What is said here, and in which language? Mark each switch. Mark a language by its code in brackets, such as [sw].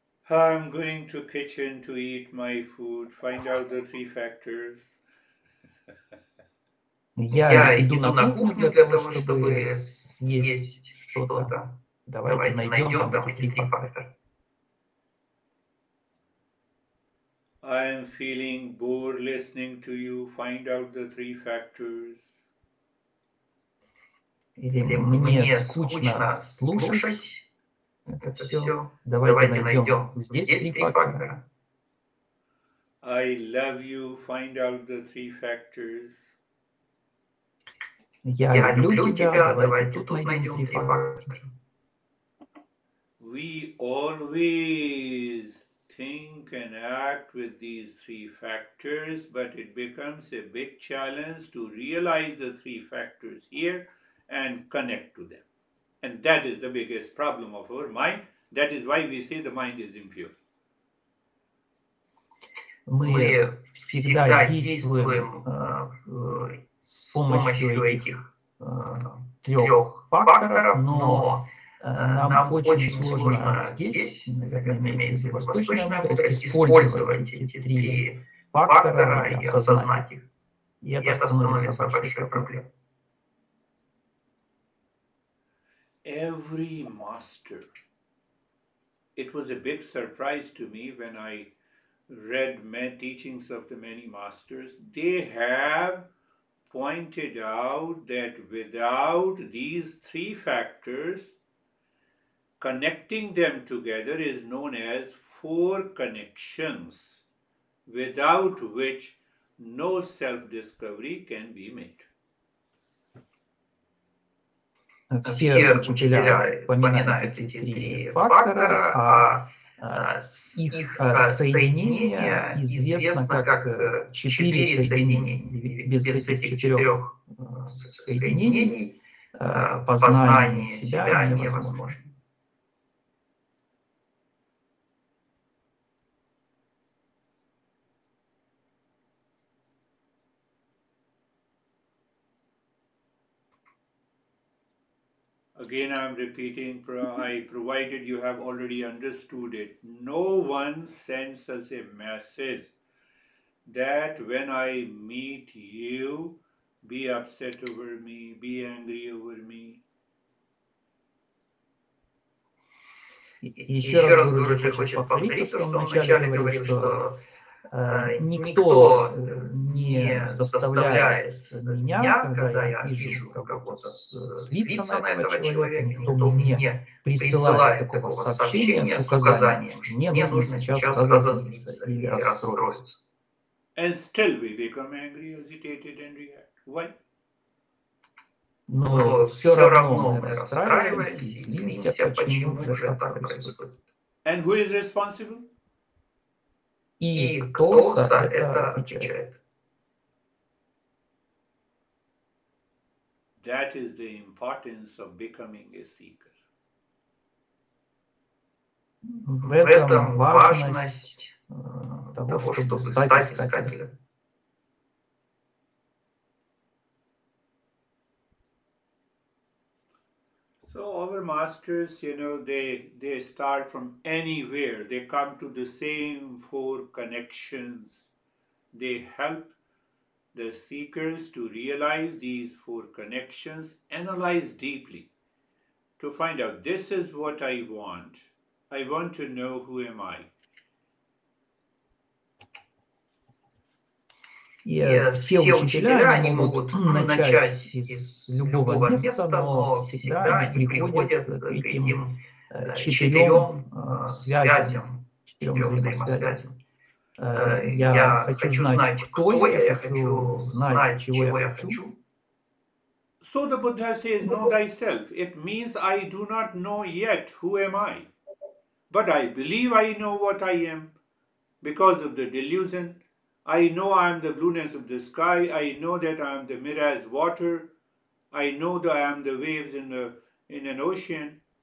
[en] I'm going to kitchen to eat my food. Find out the three factors. [ru] Я иду на кухню для того, чтобы съесть что-то. Давайте найдем там три фактора. [en] I am feeling bored listening to you. Find out the three factors. [ru] Или мне скучно слушать это все. Давайте найдем здесь три фактора. [en] I love you. Find out the three factors. [ru] Я люблю тебя. Давай тут найдем три фактора. [en] We always think and act with these three factors, but it becomes a big challenge to realize the three factors here and connect to them. And that is the biggest problem of our mind. That is why we say the mind is impure. [ru] Мы всегда действуем с помощью этих трех факторов, но нам очень сложно здесь, наверное, имеется в виду восточная мудрость, использовать эти три фактора и осознать их. И это становится большой проблемой. [en] Every master. It was a big surprise to me when I read teachings of the many masters. They have pointed out that without these three factors, connecting them together is known as four connections, without which no self-discovery can be made. [ru] Все учителя упоминают эти три фактора, а их соединение известно как четыре соединения. Без этих четырех соединений познание себя невозможно. [en] Again, I'm repeating, provided you have already understood it, no one sends us a message that when I meet you, be upset over me, be angry over me. [ru] Еще раз, Гуруджи, хочу повторить, что он вначале говорит, что никто не заставляет меня, когда я вижу какого-то свитца на этого человека, никто мне не присылает такого сообщения с указанием, что мне нужно сейчас разозлиться или расстроиться. [en] And still we become angry, agitated and react. Why? [ru] Но все равно мы расстраиваемся и злимся, почему же это так происходит. [en] And who is responsible? [ru] И кто за это отвечает? [en] That is the importance of becoming a seeker. [ru] В этом важность того, чтобы стать искателем. [en] So our masters, you know, they start from anywhere. They come to the same four connections. They help the seekers to realize these four connections, analyze deeply to find out, this is what I want. I want to know who am I. [ru] И все учителя, они могут начать из любого места, но всегда они приходят к этим четырем связям, четырем взаимосвязям. Я хочу знать, кто я хочу знать, чего я хочу. [en] So the Buddha says, know thyself. It means I do not know yet who am I. But I believe I know what I am because of the delusion. I know I am the blueness of the sky. I know that I am the mirage water. I know that I am the waves in an ocean.